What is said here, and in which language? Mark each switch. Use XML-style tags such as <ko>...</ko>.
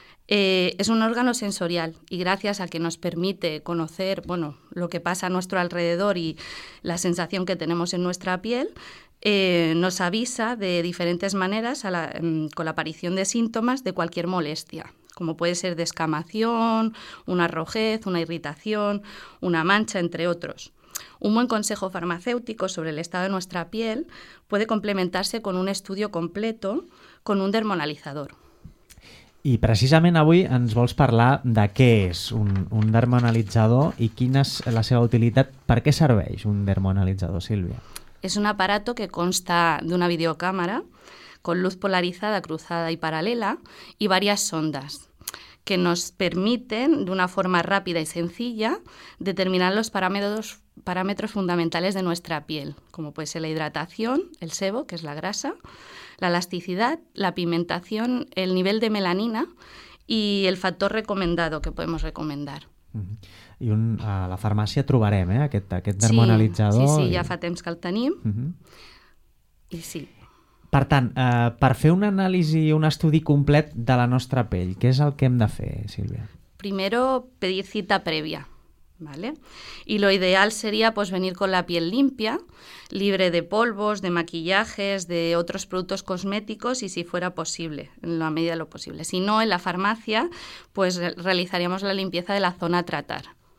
<es>Es un órgano sensorial y gracias a que nos permite conocer, bueno, lo que pasa a nuestro alrededor y la sensación que tenemos en nuestra piel, nos avisa de diferentes maneras con la aparición de síntomas de cualquier molestia, como puede ser descamación, una rojez, una irritación, una mancha, entre otros. Un buen consejo farmacéutico sobre el estado de nuestra piel puede complementarse con un estudio completo con un dermoanalizador.</es> <ca>I precisament avui ens vols parlar de què és un dermoanalitzador i quina és la seva utilitat, per què serveix un dermoanalitzador, Sílvia?</ca> <es>És un aparato que consta d'una videocàmera con luz polarizada, cruzada y paralela y varias sondas que nos permiten de una forma rápida y sencilla determinar los parámetros fundamentales de nuestra piel, como puede ser la hidratación, el sebo, que es la grasa, la elasticidad, la pigmentación, el nivel de melanina y el factor recomendado que podemos recomendar.</es> <ca>I a la farmàcia trobarem aquest dermoanalitzador. Sí, ja fa temps que el tenim. Uh-huh. I sí. Per tant, per fer una anàlisi i un estudi complet de la nostra pell, què és el que hem de fer, Sílvia?</ca> <es>Primero, pedir cita prèvia. ¿Vale? Y lo ideal sería pues venir con la piel limpia, libre de polvos, de maquillajes, de otros productos cosméticos y si fuera posible, en la medida de lo posible. Si no, en la farmacia, pues realizaríamos la limpieza de la zona a tratar.</es>